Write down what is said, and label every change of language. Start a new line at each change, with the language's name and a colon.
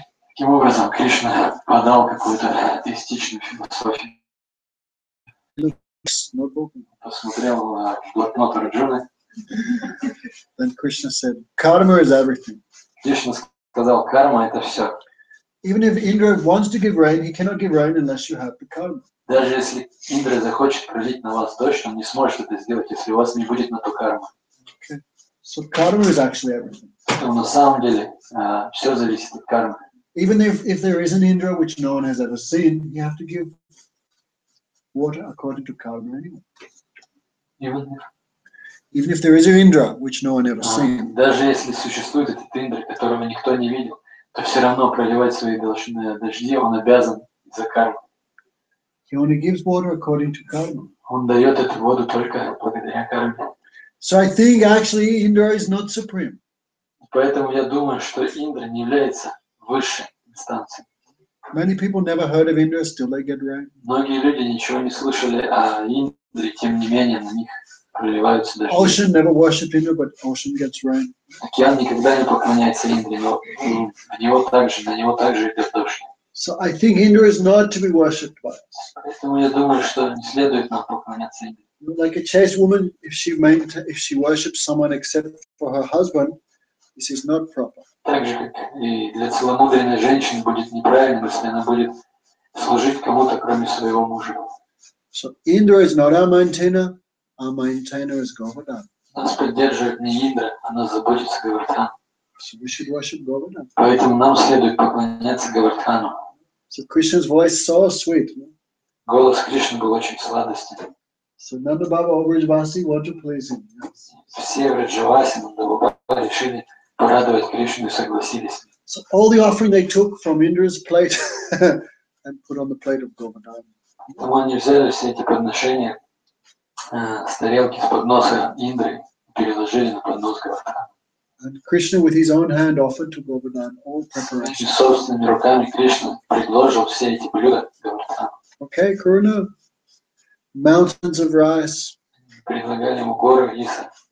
Russian: Таким образом, Кришна подал какую-то атеистичную философию. Посмотрел блокнот Арджуны.
English: Then Krishna said, karma is everything.
Russian: Кришна сказал, карма это все.
English: Even if Indra wants to give rain, he cannot give rain unless you have the karma.
Russian: Даже если Индра захочет пролить на вас дождь, он не сможет это сделать, если у вас не будет на то кармы.
English: So karma is actually everything.
Russian: Поэтому на самом деле все зависит от кармы.
English: Even if there is an Indra which no one has ever seen, you have to give water according to karma anyway. Even if there is an Indra which no one ever seen.
Russian: Даже если существует этот Индра, которого никто не видел, то все равно проливать свои должные дожди он обязан за карму.
English: He only gives water according to karma.
Russian: Он дает эту воду только благодаря карме.
English: So I think actually Indra is not supreme.
Russian: Поэтому я думаю, что Индра не является высшей инстанцией.
English: Many people never heard of Indra, still they get rain.
Russian: Многие люди ничего не слышали о Индре, тем не менее на них проливаются дожди.
English: Ocean never worshipped Indra, but ocean gets rain.
Russian: Океан никогда не поклоняется Индре, но на него также идет дождь.
English: So I think Indra is not to be worshipped by.
Russian: Поэтому я думаю, что не следует нам поклоняться Индре.
English: Like a chaste woman, if she worships someone except for her husband, this is not proper.
Russian: Также и для целомудренной женщины будет неправильно, если она будет служить кому-то кроме своего мужа.
English: So Indra is not our maintainer is Goverdan.
Russian: Нас поддерживает не Индра, она заботится о Говардхане.
English: So we should worship Govardhan.
Russian: Поэтому нам следует поклоняться Говардхану.
English: So Krishna's voice so sweet.
Russian: Голос Кришны был очень сладостен.
English: So Nanda Baba or Vrijavasi want to please him.
Russian: Все Вриджаваси, Нанда Баба решили порадовать Кришну и согласились.
English: So all the offering they took from Indra's plate and put on the plate of Govardhan.
Russian: Потому они взяли все эти подношения с тарелки, с подноса Индры, переложили на поднос Говардхана.
English: And Krishna with his own hand offered to Govardhan all preparations.
Russian: И собственными руками Кришна предложил все эти блюда Говардхану.
English: Okay, Karuna. Mountains of rice,
Russian: предлагали ему горы риса,